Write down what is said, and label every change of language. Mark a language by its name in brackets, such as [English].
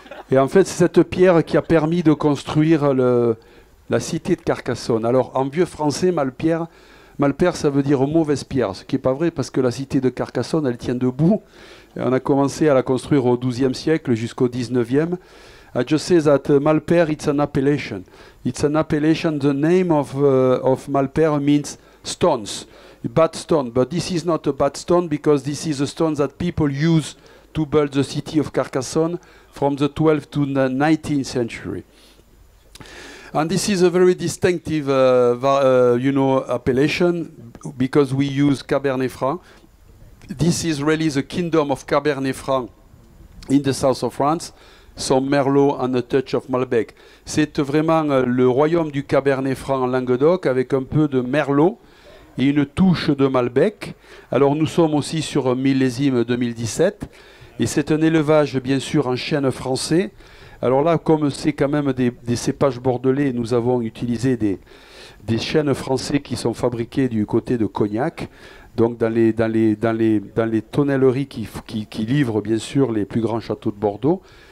[French] Et en fait, c'est cette pierre qui a permis de construire la cité de Carcassonne. Alors, en vieux français, Malpierre, ça veut dire mauvaise pierre, ce qui n'est pas vrai, parce que la cité de Carcassonne, elle tient debout. Et on a commencé à la construire au XIIe siècle jusqu'au XIXe. [English] I just say that Malpierre, it's an appellation. It's an appellation, the name of Malpierre means stones, bad stone. But this is not a bad stone, because this is a stone that people use to build the city of Carcassonne from the 12th to the 19th century. And this is a very distinctive, you know, appellation, because we use Cabernet Franc. This is really the kingdom of Cabernet Franc in the south of France, some Merlot and a touch of Malbec. [French] C'est vraiment le royaume du Cabernet Franc en Languedoc, avec un peu de Merlot et une touche de Malbec. Alors nous sommes aussi sur millésime 2017, et c'est un élevage, bien sûr, en chêne français. Alors là, comme c'est quand même des cépages bordelais, nous avons utilisé des chênes français qui sont fabriqués du côté de Cognac, donc dans les tonnelleries qui livrent bien sûr les plus grands châteaux de Bordeaux.